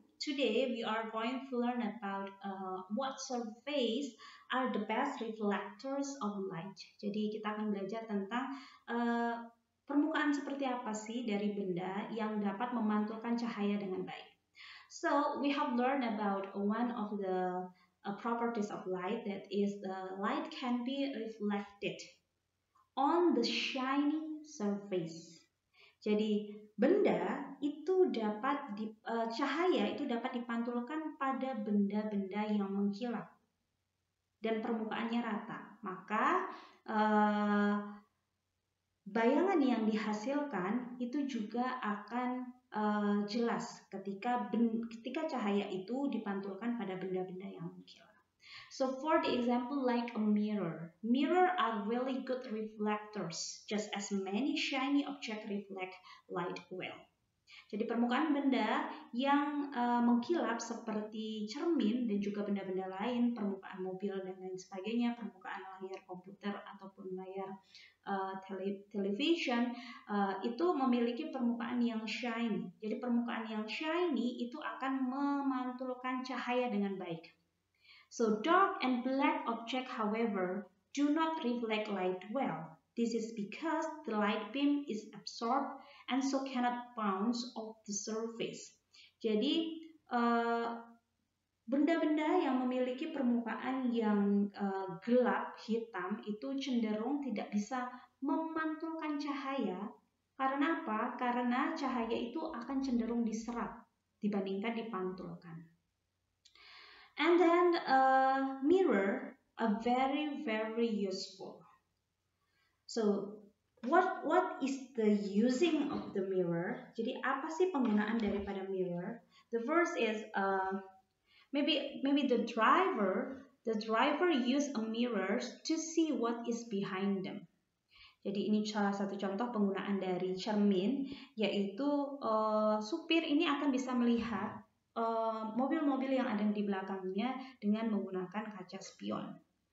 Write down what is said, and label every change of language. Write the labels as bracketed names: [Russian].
[English] Today we are going to learn about what surface are the best reflectors of light. [Indonesian] Jadi kita akan belajar tentang permukaan seperti apa sih dari benda yang dapat memantulkan cahaya dengan baik. [English] So we have learned about one of the properties of light, that is the light can be reflected on the shiny surface. [Indonesian] Jadi benda itu dapat cahaya itu dapat dipantulkan pada benda-benda yang mengkilap dan permukaannya rata. Maka bayangan yang dihasilkan itu juga akan jelas ketika cahaya itu dipantulkan pada benda-benda yang mengkilap. [English] So for the example like a mirror. Mirror are really good reflectors, just as many shiny object reflect light well. [Indonesian] Jadi permukaan benda yang mengkilap seperti cermin dan juga benda-benda lain, permukaan mobil dan lain sebagainya, permukaan layar komputer ataupun layar television, itu memiliki permukaan yang shiny. Jadi permukaan yang shiny itu akan memantulkan cahaya dengan baik. [English] So dark and black object, however, do not reflect light well. This is because the light beam is absorbed and so cannot bounce off the surface. [Indonesian] Jadi, benda-benda yang memiliki permukaan yang gelap, hitam, itu cenderung tidak bisa memantulkan cahaya. Karena apa? Karena cahaya itu akan cenderung diserap dibandingkan dipantulkan. [English] And then, mirror, a very, very useful. So, what is the using of the mirror? [Indonesian] Jadi, apa sih penggunaan daripada mirror? [English] The first is, maybe the driver use a mirror to see what is behind them. [Indonesian] Jadi, ini salah satu contoh penggunaan dari cermin, yaitu supir ini akan bisa melihat mobil-mobil yang ada di belakangnya dengan menggunakan kaca spion.